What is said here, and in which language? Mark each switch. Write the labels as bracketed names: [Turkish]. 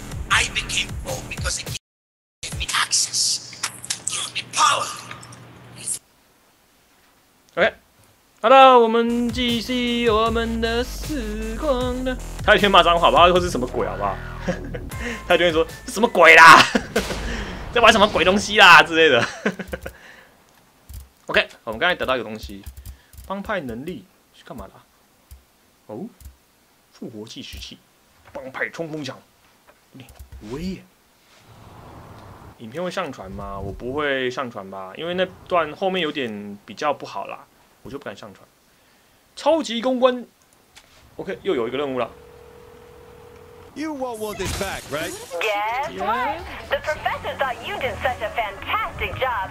[English] I became bold because it gave me access, gave me power. [Chinese] OK，Hello， 我们继续我们的时光呢。他一天骂脏话，不知道说是什么鬼，好不好？他一天说是什么鬼啦，在玩什么鬼东西啦之类的。 OK， 我们刚才得到一个东西，帮派能力是干嘛的？哦，复活计时器。帮派冲锋枪，喂！影片会上传吗？我不会上传吧，因为那段后面有点比较不好啦，我就不敢上传。超级公关 ，OK， 又有一个任务了。 [English] You want this back, right? Guess what? The professor thought you did such a fantastic job.